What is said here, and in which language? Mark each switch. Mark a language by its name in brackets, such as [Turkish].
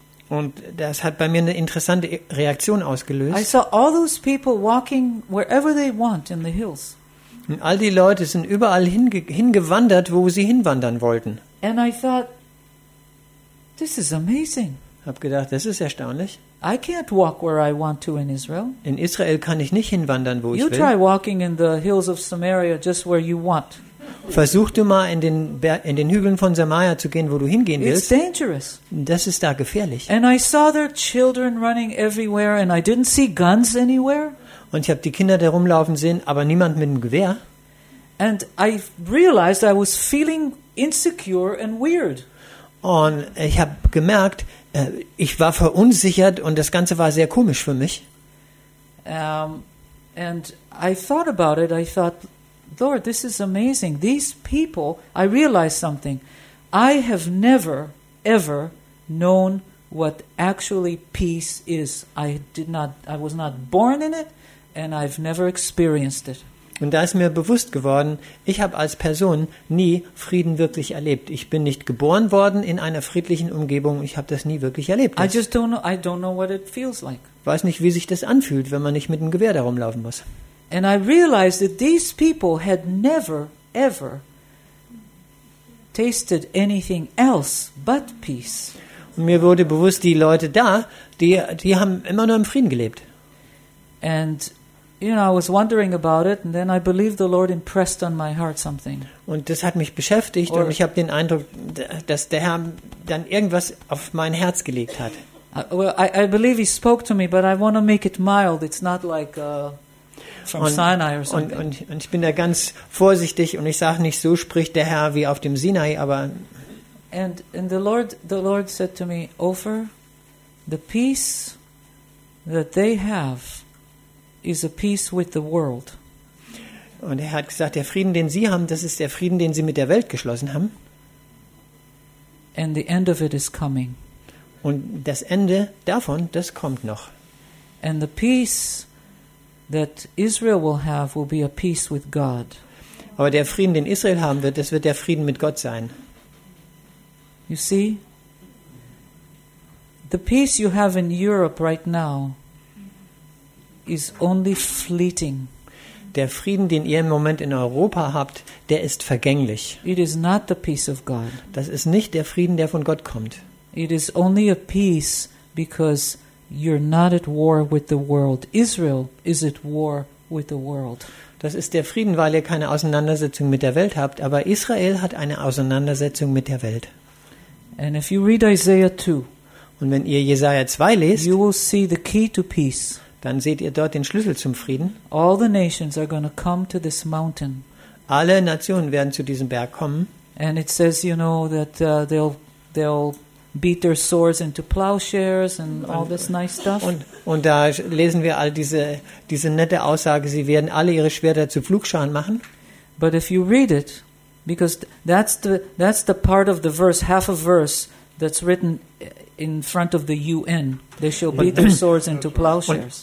[German] Und das hat bei mir eine interessante Reaktion ausgelöst. [English] I saw all those people walking wherever they want in the hills. [German] Und all die Leute sind überall hingewandert, wo sie hinwandern wollten. [English] And I thought, this is amazing. [German] Hab gedacht, das ist erstaunlich. [English] I can't walk where I want to in Israel. [German] In Israel kann ich nicht hinwandern, wo ich will. [English] You try walking in the hills of Samaria just where you want. [German] Versuch du mal in den Hügeln von Samaria zu gehen, wo du hingehen willst. [English] It's dangerous. [German] Das ist da gefährlich. [English] And I saw their children running everywhere and I didn't see guns anywhere. [German] und ich habe die Kinder da rumlaufen sehen, aber niemand mit dem Gewehr. [English] And I realized I was feeling insecure and weird. [German] Und ich habe gemerkt, ich war verunsichert und das Ganze war sehr komisch für mich. [English] And I thought about it. I thought, Lord, this is amazing. These people, I realized something. I have never, ever known what actually peace is. I did not, I was not born in it, and I've never experienced it. [German] Und da ist mir bewusst geworden, ich habe als Person nie Frieden wirklich erlebt. Ich bin nicht geboren worden in einer friedlichen Umgebung. Ich habe das nie wirklich erlebt. [English] I just don't know, I don't know what it feels like. [German] Weiß nicht, wie sich das anfühlt, wenn man nicht mit einem Gewehr da rumlaufen muss. [English] And I realized that these people had never, ever tasted anything else but peace. [German] Und mir wurde bewusst, die Leute da, die haben immer nur im Frieden gelebt. [English] And you know, I was wondering about it, and then I believe the Lord impressed on my heart something. [German] Und das hat mich beschäftigt, und ich habe den Eindruck, dass der Herr dann irgendwas auf mein Herz gelegt hat. [English] I believe he spoke to me, but I want to make it mild. It's not like from Sinai or something. [German] Und ich bin da ganz vorsichtig, und ich sage nicht, so spricht der Herr wie auf dem Sinai, aber. [English] And the Lord said to me, Ofer, the peace that they have is a peace with the world. [German] Und er hat gesagt, der Frieden, den sie haben, das ist der Frieden, den sie mit der Welt geschlossen haben. [English] And the end of it is coming. [German] Und das Ende davon, das kommt noch. [English] And the peace that Israel will have will be a peace with God. [German] Aber der Frieden, den Israel haben wird, das wird der Frieden mit Gott sein. [English] You see? The peace you have in Europe right now is only fleeting. [German] Der Frieden, den ihr im Moment in Europa habt, der ist vergänglich. [English] It is not the peace of God. [German] Das ist nicht der Frieden, der von Gott kommt. [English] It is only a peace because you're not at war with the world. Israel is at war with the world. [German] Das ist der Frieden, weil ihr keine Auseinandersetzung mit der Welt habt, aber Israel hat eine Auseinandersetzung mit der Welt. [English] And if you read Isaiah 2, [German] und wenn ihr Jesaja 2 lest, [English] you will see the key to peace. [German] Dann seht ihr dort den Schlüssel zum Frieden. [English] All the nations are going to come to this mountain. [German] Alle Nationen werden zu diesem Berg kommen. [English] And it says, you know, that they'll beat their swords into plowshares and all this nice stuff. [German] Und da lesen wir all diese nette Aussage, sie werden alle ihre Schwerter zu Pflugscharen machen. [English] But if you read it, because that's the part of the verse, half a verse that's written in front of the UN, they shall beat their swords into plowshares.